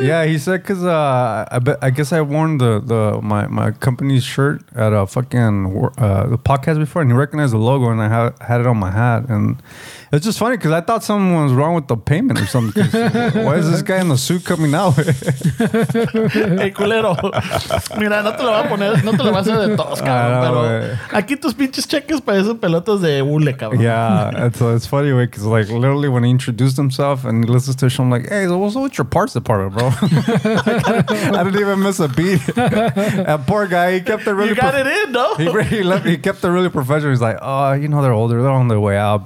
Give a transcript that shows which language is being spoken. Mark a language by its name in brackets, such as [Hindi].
[English] Yeah, he said because I guess I worn my company's shirt at a fucking the podcast before, and he recognized the logo, and I had it on my hat, and it's just funny because I thought something was wrong with the payment or something. Why is this guy in the suit coming out? [Spanish] Hey, culero. Mira, no te lo voy a poner, no te lo voy a hacer de todos, cabrón. Know, pero aquí tus pinches cheques para esos pelotas de hule, cabrón. [English] Yeah, it's funny, because like literally when he introduced himself and he listens to the show, I'm like, hey, He's like, what's up with your parts department, bro? I didn't even miss a beat. That poor guy, he kept it really... You got it in, though. He kept it really professional. He's like, oh, you know, they're older. They're on their way out.